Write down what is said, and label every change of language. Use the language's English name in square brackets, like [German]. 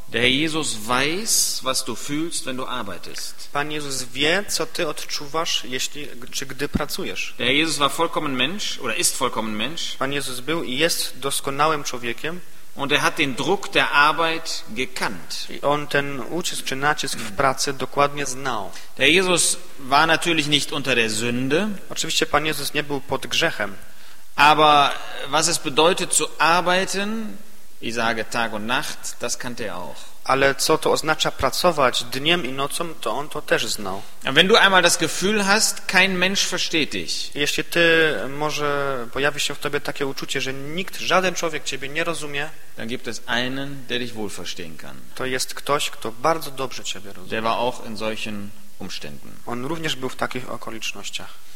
[German] Der Herr Jesus weiß, was du fühlst, wenn du arbeitest. [Polish] Pan Jezus wie, co ty odczuwasz, jeśli, czy gdy pracujesz. [German] Der Herr Jesus war vollkommen Mensch, oder ist vollkommen Mensch. [Polish] Pan Jezus był i jest doskonałym człowiekiem. [German] Und er hat den Druck der Arbeit gekannt. [Polish] I on ten ucisk czy nacisk w pracy dokładnie znał. [German] Der Jesus war natürlich nicht unter der Sünde. [Polish] Oczywiście Pan Jezus nie był pod grzechem. [German] Aber was es bedeutet zu arbeiten, ich sage Tag und Nacht, das kannte er auch. [Polish] Ale co to oznacza pracować dniem i nocą, to on to też znał. [German] Wenn du einmal das Gefühl hast, kein Mensch versteht dich. [Polish] Jeśli ty może pojawi się w tobie takie uczucie, że nikt, żaden człowiek ciebie nie rozumie, [German] dann gibt es einen, der dich wohl verstehen kann. [Polish] To jest ktoś, kto bardzo dobrze ciebie rozumie. [German] Der war auch in solchen Umständen. [Polish] On również był w takich okolicznościach.